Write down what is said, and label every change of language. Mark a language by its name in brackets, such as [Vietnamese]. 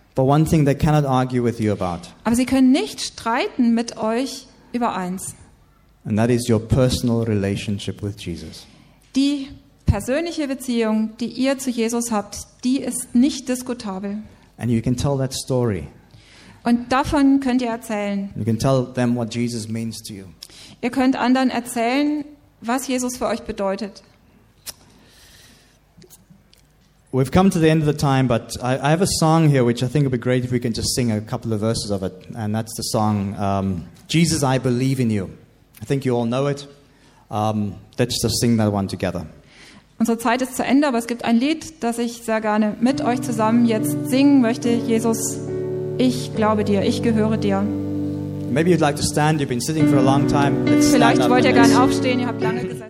[English] But one thing they cannot argue with you about. [German] Aber sie können nicht streiten mit euch über eins. [English] And that is your personal relationship with Jesus. [German] Die persönliche Beziehung, die ihr zu Jesus habt, die ist nicht diskutabel. [English] And you can tell that story. [German] Und davon könnt ihr erzählen. [English] You can tell them what Jesus means to you. [German] Ihr könnt anderen erzählen, was Jesus für euch bedeutet. [English] We've come to the end of the time, but I have a song here which I think would be great if we can just sing a couple of verses of it. And that's the song, Jesus, I Believe in You. I think you all know it. Let's just sing that one together. [German] Unsere Zeit ist zu Ende, aber es gibt ein Lied, das ich sehr gerne mit euch zusammen jetzt singen möchte. Jesus, ich glaube dir, ich gehöre dir. [English] Maybe you'd like to stand, you've been sitting for a long time. [German] Vielleicht wollt ihr gerne aufstehen, ihr habt lange gesessen.